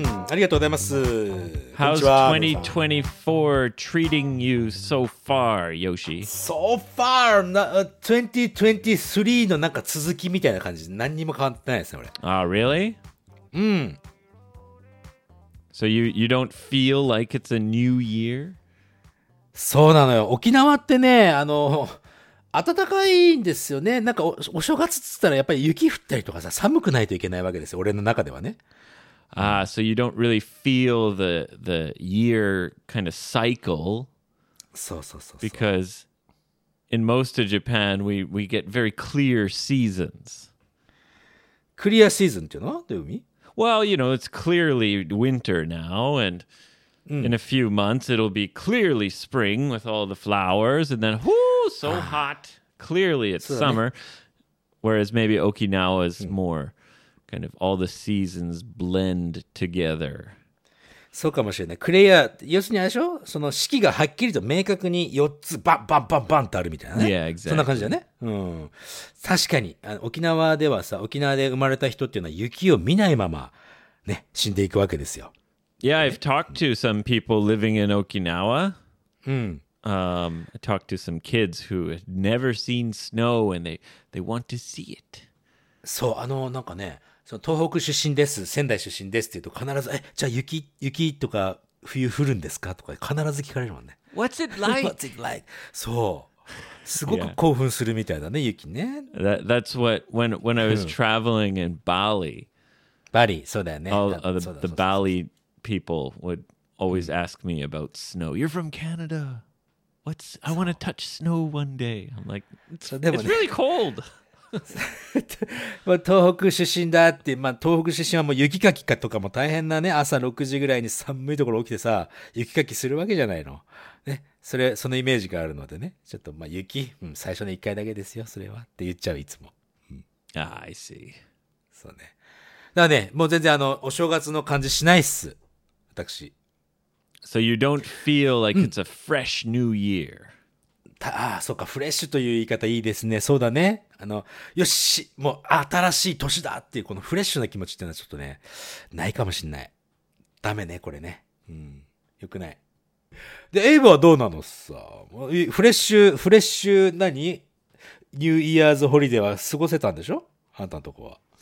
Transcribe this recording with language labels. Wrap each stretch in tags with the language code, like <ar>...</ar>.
<ja>ありがとうございます。</ja> <en>How's 2024 treating you so far, Yoshi? So far,</en> <ja>2023 のなんか続きみたいな感じ。何にも変わってないですね、俺。</ja> <en>Oh, really? So you don't feel like it's a new year?</en> <ja>そうなのよ。沖縄ってね、暖かいんですよね。なんか お正月っつったらやっぱり雪降ったりとかさ、寒くないといけないわけですよ。俺の中ではね。</ja> <en>Ah, so you don't really feel the year kind of cycle. So. Because in most of Japan, we get very clear seasons. Clear season, do you know? Do you mean? Well, you know, it's clearly winter now, and in a few months, it'll be clearly spring with all the flowers, and then, whoo, so hot. Clearly, it's summer. Whereas maybe Okinawa is more... Kind of all the seasons blend together.</en> <ja>そうかもしれない。クレア、要するにあれでしょ？その四季がはっきりと明確に4つバンバンバンバンってあるみたいなね。</ja> <en>Yeah, exactly.</en> <ja>そんな感じだね。うん。確かに、沖縄ではさ、沖縄で生まれた人っていうのは雪を見ないままね、死んでいくわけですよ。</ja> <en>Yeah, I've talked to some people living in Okinawa. I talked to some kids who had never seen snow and they want to see it.</en> <ja>そう、なんかね、その東北出身です、仙台出身ですって言うと必ず、じゃあ雪とか冬降るんですかとか必ず聞かれるもんね。</ja> <en>What's it like? What's it like?</en> <ja>そう。すごく興奮するみたいだね、雪ね。</ja> <en>That's what, when I was traveling in Bali.</en> <ja>Bali, そうだよね。</ja> <en>The Bali people would always ask me about snow. You're from Canada. What's, I want to touch snow one day. I'm like, it's really cold.</en> <ja>まあ東北出身だって、まあ、東北出身はもう雪かきかとかも大変なね、朝6時ぐらいに寒いところ起きてさ、雪かきするわけじゃないの、ね、それそのイメージがあるのでね、ちょっとまあ雪、最初の1回だけですよそれはって言っちゃういつも、</ja> <en>I see。</en> <ja>そうね、だからね、もう全然お正月の感じしないっす、私。</ja> <en>So you don't feel like it's a fresh new year、</en> <ja>ああそうか、フレッシュという言い方いいですね。そうだね、よし、もう新しい年だっていうこのフレッシュな気持ちっていうのはちょっとねないかもしれない。ダメねこれね、よくない。でエイブはどうなのさ、フレッシュ何ニューイヤーズホリデーは過ごせたんでしょ、あんたのとこは。</ja>